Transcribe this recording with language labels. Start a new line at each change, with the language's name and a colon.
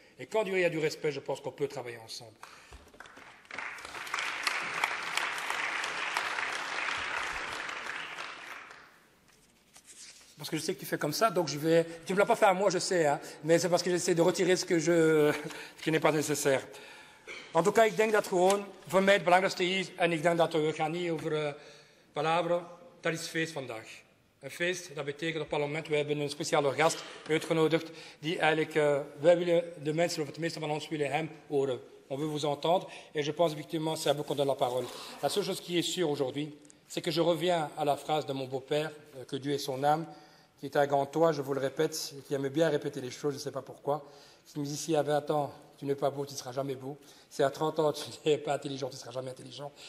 French: Et quand il y a du respect, je pense qu'on peut travailler ensemble. Parce que je sais que tu fais comme ça, donc je vais... Tu ne me l'as pas fait à moi, je sais, hein, mais c'est parce que j'essaie de retirer ce qui n'est pas nécessaire. En tout cas,
Dutch: ik denk dat gewoon voor mij het belangrijkste is, en ik denk dat we gaan niet over palabren, dat is feest vandaag. Een feest, dat betekent op het moment, we hebben een speciale gast uitgenodigd, die eigenlijk, wij willen de mensen, of het meeste van ons, willen hem horen.
French: On veut vous entendre, et je pense, effectivement, c'est à vous qu'on donne la parole. La seule chose qui est sûre aujourd'hui, c'est que je reviens à la phrase de mon beau-père, que Dieu est son âme, qui est un grand toi, je vous le répète, qui aimait bien répéter les choses, je ne sais pas pourquoi. Si tu me dis, si à 20 ans, tu n'es pas beau, tu ne seras jamais beau. Si à 30 ans, tu n'es pas intelligent, tu ne seras jamais intelligent.